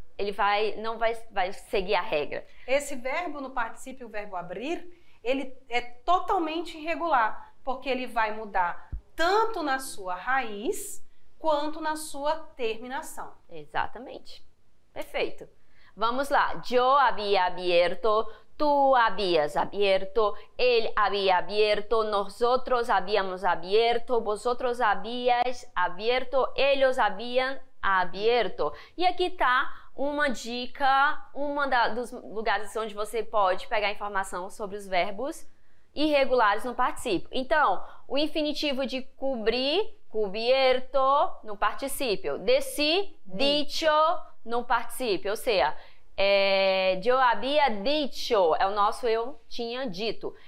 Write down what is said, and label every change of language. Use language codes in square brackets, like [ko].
[pt] Ele vai, não vai, vai seguir a regra. Esse verbo no participio, o verbo abrir, ele é totalmente irregular, porque ele vai mudar tanto na sua raiz quanto na sua terminação. Exatamente. Perfeito. Vamos lá. [es] Yo había abierto, tú habías abierto, él había abierto, nosotros habíamos abierto, vosotros habíais abierto, ellos habían abierto. [pt] E aqui está uma dica, dos lugares onde você pode pegar informação sobre os verbos irregulares no particípio. Então, o infinitivo de cubrir, cubierto, no particípio. Desci, dicho, no particípio. Ou seja, [es] yo había dicho, [pt] é o nosso eu tinha dito.